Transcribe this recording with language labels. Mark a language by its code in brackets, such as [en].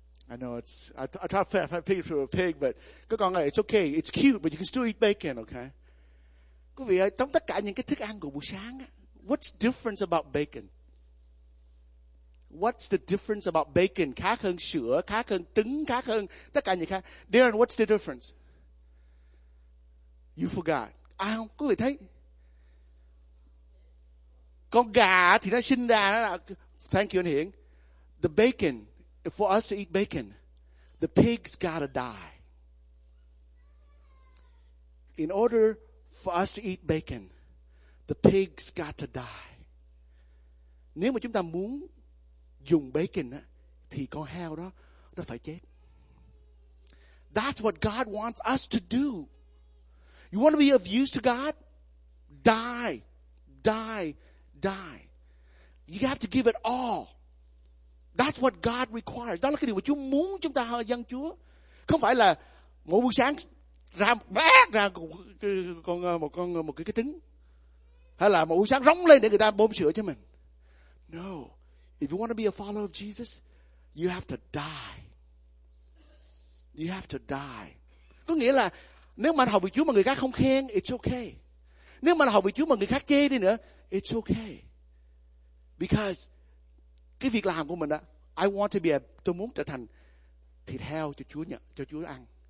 [en] I know it's, I try to fat my pig for a pig, but [vi] các con ơi, [en] it's okay, it's cute, but you can still eat bacon, okay? [vi] Quý vị ơi, trong tất cả những cái thức ăn của buổi sáng, [en] what's difference about bacon? What's the difference about bacon? [vi] Khác hơn sữa, khác hơn trứng, khác hơn tất cả những cái. [en] Darren, what's the difference? You forgot. [vi] Ai không? Quý vị thấy? Con gà thì nó sinh ra, nó là, [en] thank you [vi] anh Hiển. [en] The bacon, for us to eat bacon, the pig's gotta die. In order for us to eat bacon, the pig's gotta die. [vi] Nếu mà chúng ta muốn dùng bacon á, thì con heo đó, nó phải chết. [en] That's what God wants us to do. You want to be of use to God? Die. Die. Die. You have to give it all. That's what God requires. [vi] Đó là cái điều mà Chúa muốn chúng ta dâng Chúa. Không phải là mỗi buổi sáng ra một cái trứng. Hay là mỗi buổi sáng rống lên để người ta bơm sữa cho mình. [en] No. If you want to be a follower of Jesus, you have to die. You have to die. [vi] Có nghĩa là nếu mà học vị Chúa mà người khác không khen, [en] it's okay. [vi] Nếu mà học vị Chúa mà người khác chê đi nữa, [en] it's okay. [vi] Because cái việc làm của mình đó, [en] I want to be, [vi] tôi muốn trở thành thịt heo cho Chúa nhận, cho Chúa ăn.